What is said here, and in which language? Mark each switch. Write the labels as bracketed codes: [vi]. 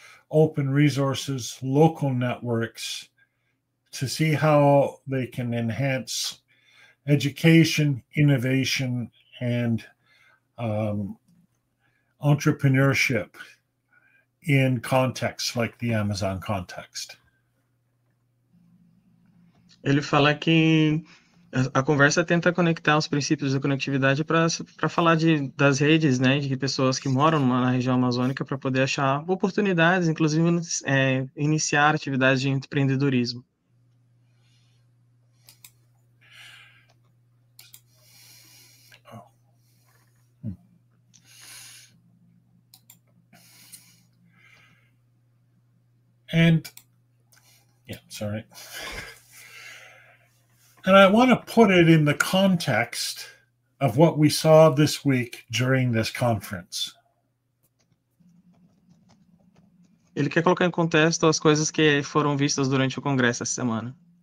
[en] Open resources, local networks, to see how they can enhance education, innovation, and entrepreneurship in contexts like the Amazon context. [pt] Ele fala que a conversa tenta conectar os princípios da conectividade para falar das redes, né, de pessoas que moram na região amazônica para poder achar oportunidades, inclusive iniciar atividades de empreendedorismo. [en] And yeah, sorry. And I want to put it in the context of what we saw this week during this conference. [pt] Ele quer colocar em contexto as coisas que foram vistas durante o Congresso essa semana.